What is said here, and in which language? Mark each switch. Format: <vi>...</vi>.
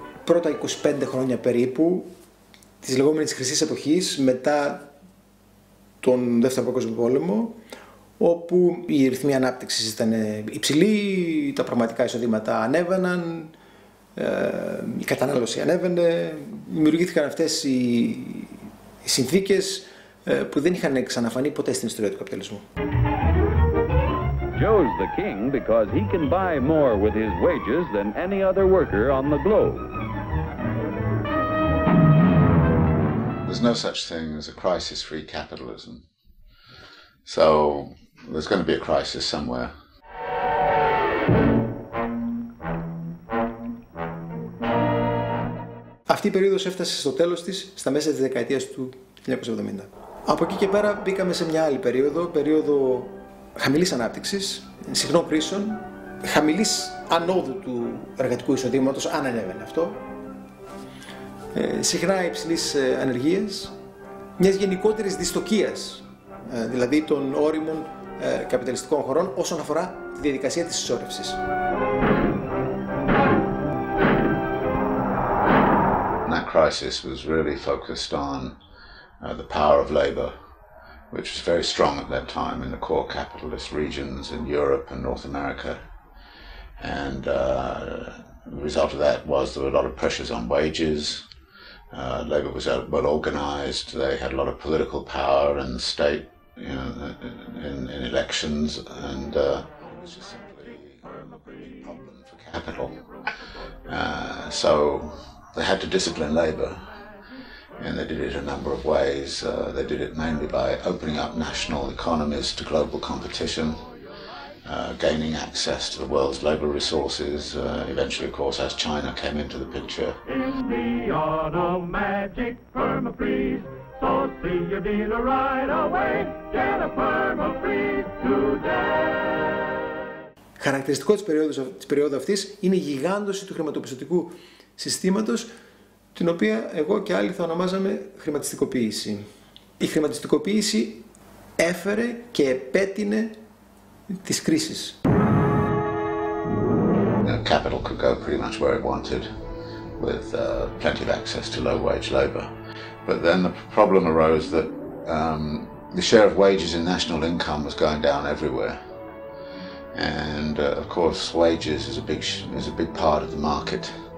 <el>πρώτα 25 χρόνια περίπου της λεγόμενης Χρυσής Εποχής, μετά τον Δεύτερο Παγκόσμιο Πόλεμο, όπου η ρυθμή ανάπτυξης ήταν υψηλή, τα πραγματικά εισοδήματα ανέβαιναν, η κατανάλωση ανέβαινε, δημιουργήθηκαν αυτές οι συνθήκες που δεν είχαν ξαναφανεί ποτέ στην ιστορία του καπιταλισμού.</el> <en>Joe's the king because he can buy more with his wages than any other worker on the globe. There's no such thing as a crisis-free capitalism. So there's going to be a crisis somewhere.</en> <el>Αυτή η περίοδος έφτασε στο τέλος της στα μέσα της δεκαετίας του 1970. Από εκεί και πέρα μπήκαμε σε μια άλλη περίοδο, περίοδο χαμηλής ανάπτυξης, συχνών κρίσεων, χαμηλής ανόδου του εργατικού εισοδήματος, αν ανέβαινε αυτό, συχνά υψηλής ανεργίας, μιας γενικότερης δυστοκίας, δηλαδή των όριμων καπιταλιστικών χωρών, όσον αφορά τη διαδικασία της συσσόρευσης.</el> <en>That crisis was really focused on the power of labor, which was very strong at that time in the core capitalist regions in Europe and North America. And the result of that was there were a lot of pressures on wages. Labor was well organized. They had a lot of political power in the state, you know, in elections. And it was just simply a breeding problem for capital. So they had to discipline labor. And they did it a number of ways. They did it mainly by opening up national economies to global competition, gaining access to the world's labor resources, eventually, of course, as China came into the picture. In the automatic perma-freeze, so see your dealer right away, get a perma-freeze today.</en> <el>Χαρακτηριστικό της περίοδου αυτής είναι η γιγάντωση του χρηματοπιστωτικού συστήματος, την οποία εγώ και άλλοι θα ονομάζαμε χρηματιστικοποίηση. Η χρηματιστικοποίηση έφερε και επέτεινε τις κρίσεις.</el> <en>Capital could go pretty much where it wanted, with plenty of access to low-wage labor. But then the problem arose that the share of wages in national income was going down everywhere. And of course, wages is a big part of the market.</en>